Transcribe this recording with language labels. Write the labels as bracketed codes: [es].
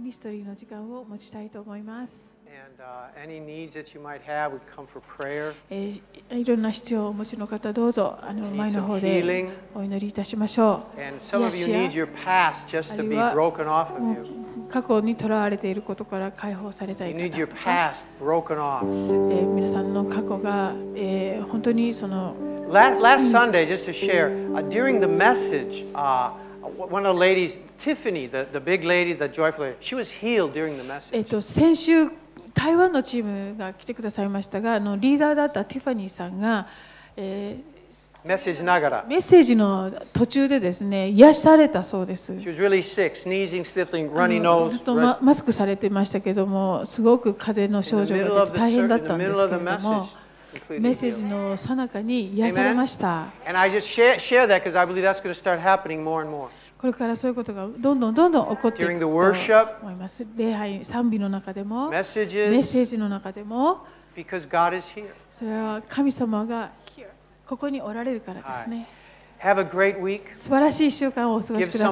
[ja] りの時間を持ちたいと思います。 [en] any needs that you might have, we come for prayer. [ja] いろんな必要をお持ちの方、どうぞ前の方でお祈りいたしましょう。 [en] And some of you need your past just to be broken off of you. [ja] 過去にとらわれていることから解放されたい方。 [en] You need your past broken off. [ja] 皆さんの過去が本当にその。 [en] Last Sunday, just to share, during the message, one of the ladies, Tiffany, the big lady, the joyful lady, she was healed during the message. [ja] 先週台湾のチームが来てくださいましたが、リーダーだったティファニーさんが、メッセージながら、メッセージの途中でですね、癒されたそうです。 [en] She was really sick, sneezing, sniffling, runny nose. [ja] ずっとマスクされてましたけども、すごく風邪の症状が出て大変だったんですけれども、メッセージの最中に癒されました。 [en] And I just share that because I believe that's going to start happening more and more. [ja] これからそういうことがどんどんどんどん起こっていくと思います。礼拝賛美の中でもメッセージの中でも、それは神様がここにおられるからですね。 [en] Have a great week. [ja] 素晴らしい1週間をお過ごしください。